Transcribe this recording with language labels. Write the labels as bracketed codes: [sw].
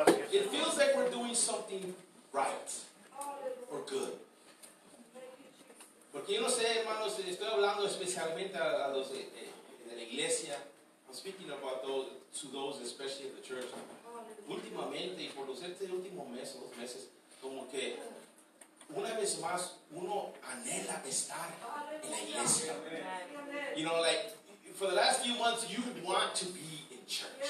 [en] It feels like we're doing something right or good. [es] Porque yo no sé, hermanos, estoy hablando especialmente a los de la iglesia. [en] I'm speaking about those, especially in the church. [es] Últimamente, y por los últimos meses, dos meses, como que una vez más uno anhela estar en la iglesia. [en] You know, like, for the last few months, you want to be in church.